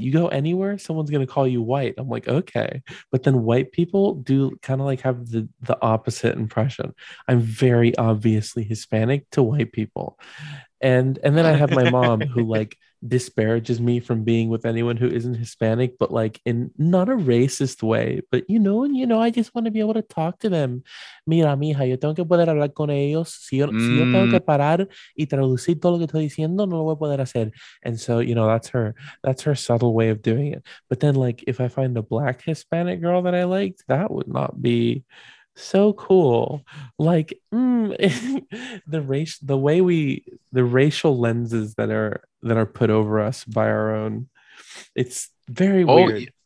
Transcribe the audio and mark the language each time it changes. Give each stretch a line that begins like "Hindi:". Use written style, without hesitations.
English: You go anywhere, someone's going to call you white. I'm like, okay. But then white people do kind of like have the opposite impression. I'm very obviously Hispanic to white people. And then I have my mom who like disparages me from being with anyone who isn't Hispanic, but like in not a racist way, but you know, I just want to be able to talk to them.
Spanish: Mira, mija, yo tengo que poder hablar con ellos. Si yo tengo que parar y traducir todo lo que estoy diciendo, no lo voy a poder hacer.
English: And so, you know, that's her subtle way of doing it. But then like, if I find a black Hispanic girl that I liked, that would not be so cool. Like the racial lenses that are put over us by our own, it's very weird.